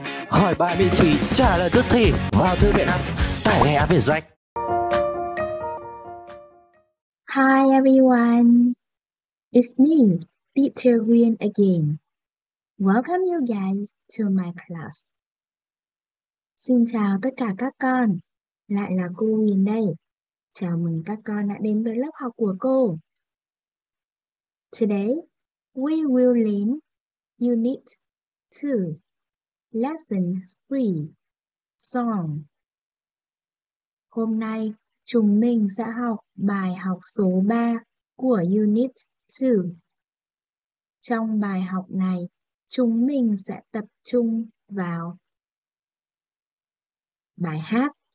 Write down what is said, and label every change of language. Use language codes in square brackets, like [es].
[vi] Hỏi bài miễn phí, trả lời tức thì vào thư viện app, tải ngay Avezac. [en] Hi everyone, it's me, Peter Nguyen again. Welcome you guys to my class. [vi] Xin chào tất cả các con, lại là cô Nguyen đây. Chào mừng các con đã đến với lớp học của cô. [en] Today, we will learn Unit 2, Lesson 3, Song. [vi] Hôm nay, chúng mình sẽ học bài học số 3 của Unit 2. Trong bài học này, chúng mình sẽ tập trung vào bài hát.